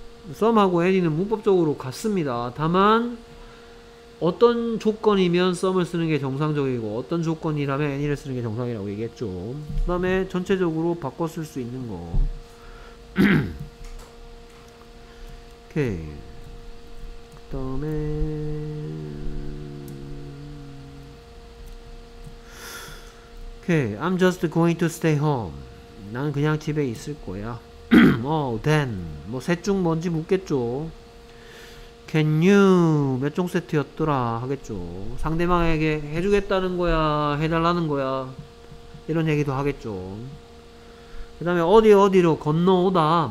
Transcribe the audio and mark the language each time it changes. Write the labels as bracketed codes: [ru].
[ko] some 하고 any는 문법적으로 같습니다. 다만 어떤 조건이면 some을 쓰는 게 정상적이고 어떤 조건이라면 any를 쓰는 게 정상이라고 얘기했죠. 그 다음에 전체적으로 바꿔 쓸 수 있는 거. 오케이. 그 다음에 [en] Okay, I'm just going to stay home. [ko] 나는 그냥 집에 있을 거야. oh, then. 뭐, 셋 중 뭔지 묻겠죠. [en] Can you, [ko] 몇 종 세트였더라 하겠죠. 상대방에게 해주겠다는 거야, 해달라는 거야. 이런 얘기도 하겠죠. 그 다음에, 어디 어디로 건너오다.